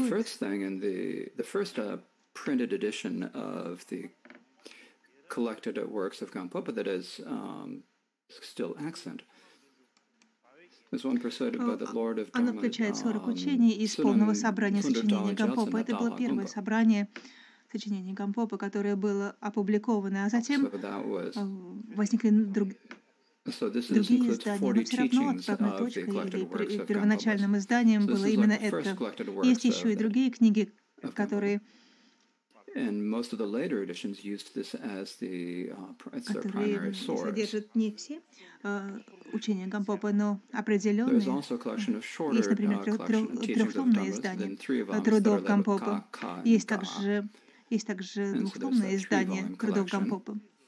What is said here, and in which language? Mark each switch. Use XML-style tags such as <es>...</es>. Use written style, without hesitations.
<en>The first thing in the first printed edition of the collected works of Gampopa that is still extant.</en> <ru>Оно включает 40 учений из полного собрания сочинений Гампопы. Это было первое собрание сочинений Гампопы, которое было опубликовано. А затем возникли другие издания. Но все равно отправной точкой или первоначальным изданием было именно это. Есть еще и другие книги, которые...</ru> <en>And most of the later editions used this as the as their primary source.</en> <ru>Не все учения Гампопы, но определенные.</ru> <en>There is also a collection of shorter</en> <ru>трехтомные издания трудов Гампопы. Есть также двухтомное издание трудов Гампопы.</ru>